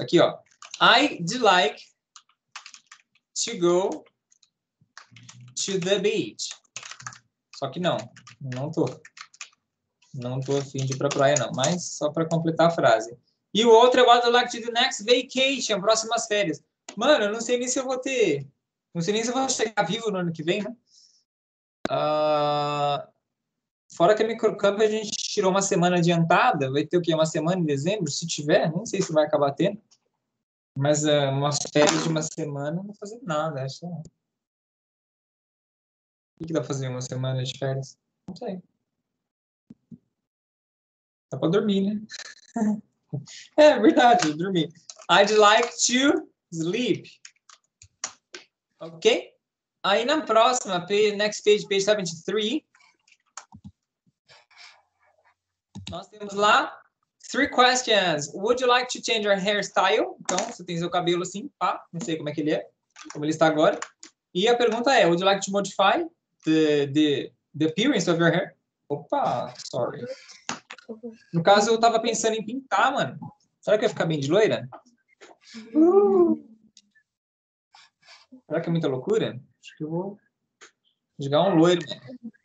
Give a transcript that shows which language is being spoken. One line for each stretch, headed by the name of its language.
Portuguese: Aqui, ó,
English: I'd like to go to the beach.
Portuguese: Só que não tô afim de ir pra praia, não, mas só pra completar a frase. E o outro é
English: what I'd like to do next vacation,
Portuguese: próximas férias. Mano, eu não sei nem se eu vou ter... Não sei nem se eu vou chegar vivo no ano que vem, né? Fora que a microcamp a gente tirou uma semana adiantada. Vai ter o quê? Uma semana em dezembro? Se tiver, não sei se vai acabar tendo. Mas umas férias de uma semana, não vou fazer nada. Acho. O que dá pra fazer uma semana de férias? Não sei. Dá pra dormir, né? É verdade, eu dormi.
English: I'd like to sleep. Ok?
Portuguese: Aí na próxima,
English: next page, page 73.
Portuguese: Nós temos lá 3
English: questions. Would you like to change your hairstyle?
Portuguese: Então, você tem seu cabelo assim, pá, não sei como é que ele é, como ele está agora. E a pergunta é,
English: would you like to modify the appearance of your hair?
Portuguese: Opa,
English: sorry.
Portuguese: No caso, eu tava pensando em pintar, mano. Será que eu ia ficar bem de loira? Será que é muita loucura? Acho que eu vou jogar um loiro, mano.